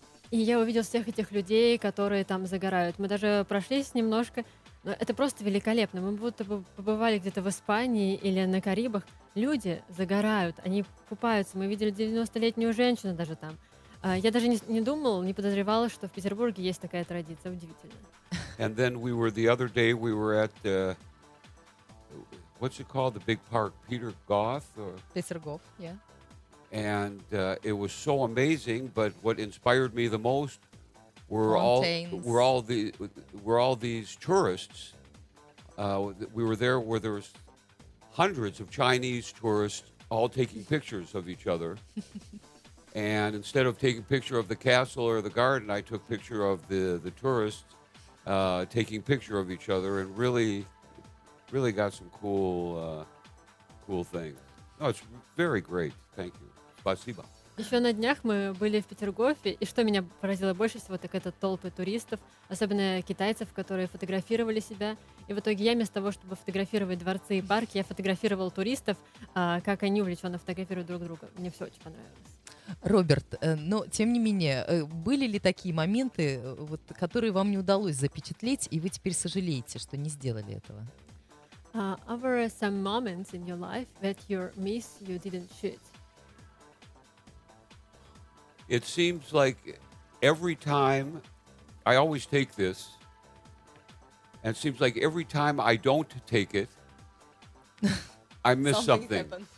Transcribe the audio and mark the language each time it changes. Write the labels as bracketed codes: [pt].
[ru] И я увидел всех этих людей, которые там загорают. Мы даже прошлись немножко. Но это просто великолепно. Мы будто бы побывали где-то в Испании или на Карибах. Люди загорают, они купаются. Мы видели 90-летнюю женщину даже там. Я даже не думал, не подозревал, что в Петербурге есть такая традиция. Удивительно. [en] And then we were the other day, we were at, what's it called, the big park, Peter Goff? Peter Goff, yeah. And it was so amazing, but what inspired me the most were all these tourists. We were there where there was hundreds of Chinese tourists all taking pictures of each other. And instead of taking picture of the castle or the garden, I took picture of the tourists taking picture of each other, and really, really got some cool things. Oh, it's very great. Thank you. [ru] Спасибо. Еще на днях мы были в Петергофе, и что меня поразило больше всего, так это толпы туристов, особенно китайцев, которые фотографировали себя. И в итоге я вместо того, чтобы фотографировать дворцы и парки, я фотографировал туристов, как они увлеченно фотографируют друг друга. Мне все очень понравилось. Роберт, но тем не менее, были ли такие моменты, вот, которые вам не удалось запечатлеть, и вы теперь сожалеете, что не сделали этого? [en] Are there some moments in your life that you miss you didn't shoot? It seems like every time, I always take this, and it seems like every time I don't take it, I miss something.